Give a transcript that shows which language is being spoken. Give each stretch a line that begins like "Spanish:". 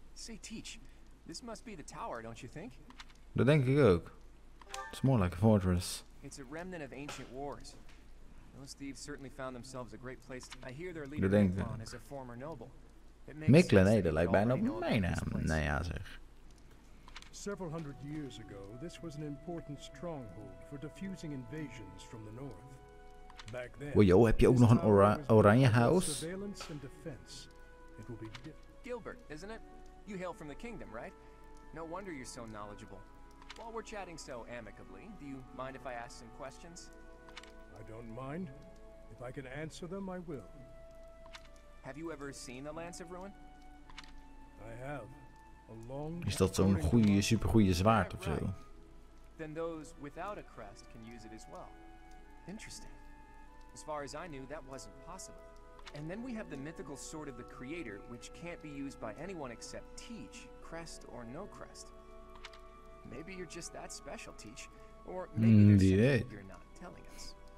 English: Say, Teach, this must be the tower, don't you think?
Dutch: Dat denk ik ook.
English: It's more like a fortress. It's a remnant of ancient wars. Those thieves certainly found themselves a great place to... I hear their leader Miklan is a former noble.
Dutch: Miklan, hey, dat lijkt bijna op mijn naam. Nou ja, zeg.
English: Several hundred years ago, this was an important stronghold for defusing invasions from the north. Back then, well,
Dutch: yo, heb je ook nog een oranje house?
English: Surveillance and defense. It will be Gilbert, isn't it? You hail from the kingdom, right? No wonder you're so knowledgeable. While we're chatting so amicably, do you mind if I ask some questions? I don't mind. If I can answer them, I will. Have you ever seen the Lance of Ruin? I have. A long.
Dutch: Is dat zo'n goede, supergoede zwaard of zo?
English: Right. Then those without a crest can use it as well. Interesting. As far as I knew, that wasn't possible. And then we have the mythical Sword of the Creator, which can't be used by anyone except Teach, crest or no crest. Maybe you're just that special, Teach. Or maybe there's something you're not telling us.